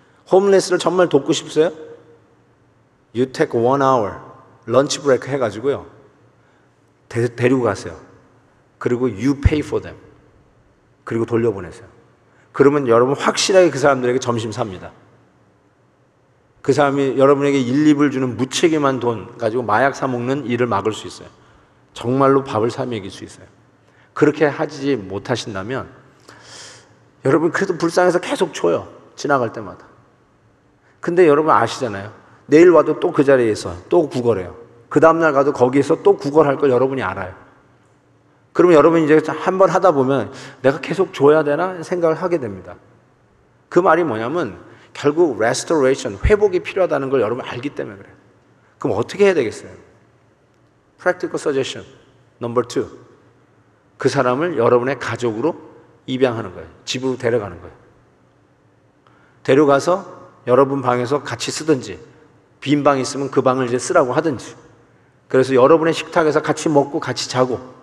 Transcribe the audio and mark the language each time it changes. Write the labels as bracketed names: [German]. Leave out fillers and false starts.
[Korean] 홈리스를 정말 돕고 싶으세요? [English] You take one hour, lunch break [Korean] 해가지고요. 데리고 가세요. 그리고 [English] you pay for them. [Korean] 그리고 돌려보내세요. 그러면 여러분 확실하게 그 사람들에게 점심 삽니다. 그 사람이 여러분에게 1, 2불 주는 무책임한 돈 가지고 마약 사먹는 일을 막을 수 있어요. 정말로 밥을 사먹일 수 있어요. 그렇게 하지 못하신다면 여러분 그래도 불쌍해서 계속 줘요. 지나갈 때마다. 근데 여러분 아시잖아요. 내일 와도 또 그 자리에서 또 구걸해요. 그 다음날 가도 거기에서 또 구걸할 걸 여러분이 알아요. 그러면 여러분 이제 한번 하다 보면 내가 계속 줘야 되나 생각을 하게 됩니다. 그 말이 뭐냐면 결국 restoration, 회복이 필요하다는 걸 여러분 알기 때문에 그래요. 그럼 어떻게 해야 되겠어요? [English] Practical suggestion, number two. [Korean] 그 사람을 여러분의 가족으로 입양하는 거예요. 집으로 데려가는 거예요. 데려가서 여러분 방에서 같이 쓰든지 빈 방 있으면 그 방을 이제 쓰라고 하든지 그래서 여러분의 식탁에서 같이 먹고 같이 자고